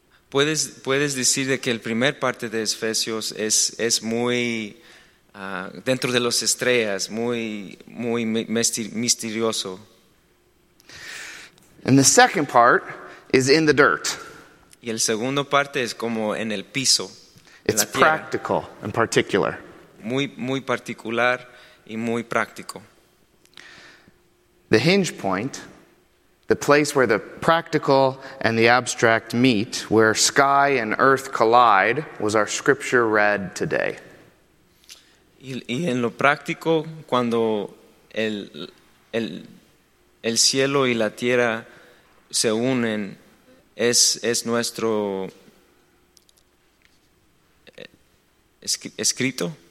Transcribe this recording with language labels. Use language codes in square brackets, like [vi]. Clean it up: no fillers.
[es] Puedes decir de que el primer parte de Efesios es muy dentro de las estrellas, muy misterioso. [en] And the second part is in the dirt. [es] Y el segundo parte es como en el piso. [en] It's practical and particular. [es] Muy particular y muy práctico. [en] The hinge point, the place where the practical and the abstract meet, where sky and earth collide, was our scripture read today. [es] Y en lo práctico, cuando el cielo y la tierra se unen, es nuestro escrito.